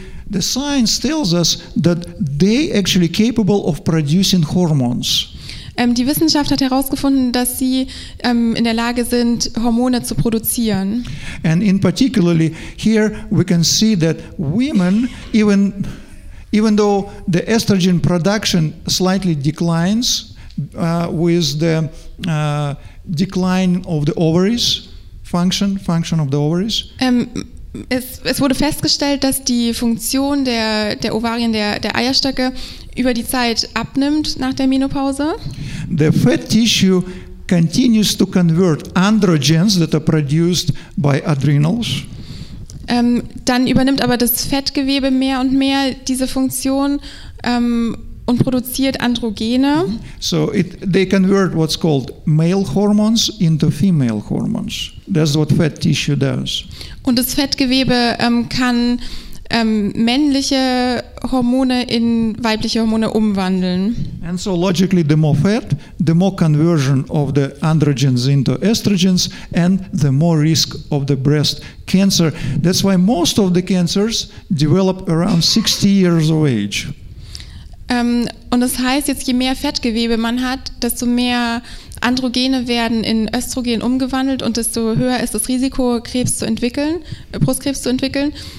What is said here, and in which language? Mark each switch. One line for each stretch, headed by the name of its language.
English: The science tells us that they actually capable of producing hormones.
German: Die Wissenschaft hat herausgefunden, dass sie in der Lage sind, Hormone zu produzieren.
English: And in particularly here we can see that women, even though the estrogen production slightly declines with the decline of the ovaries function of the ovaries.
German: Es wurde festgestellt, dass die Funktion der Ovarien, der Eierstöcke über die Zeit abnimmt nach der Menopause.
English: The fat tissue continues to convert androgens that are produced by adrenals.
German: Dann übernimmt aber das Fettgewebe mehr und mehr diese Funktion und produziert Androgene.
English: So they convert what's called male hormones into female hormones. That's what fat tissue does.
German: Und das Fettgewebe kann männliche Hormone in weibliche Hormone umwandeln.
English: And so logically, the more fat, the more conversion of the androgens into estrogens, and the more risk of the breast cancer. That's why most of the cancers develop around 60 years of age.
German: Und das heißt, jetzt je mehr Fettgewebe man hat, desto mehr Androgene werden in Östrogen umgewandelt und desto höher ist das Risiko, Krebs zu entwickeln, Brustkrebs zu entwickeln.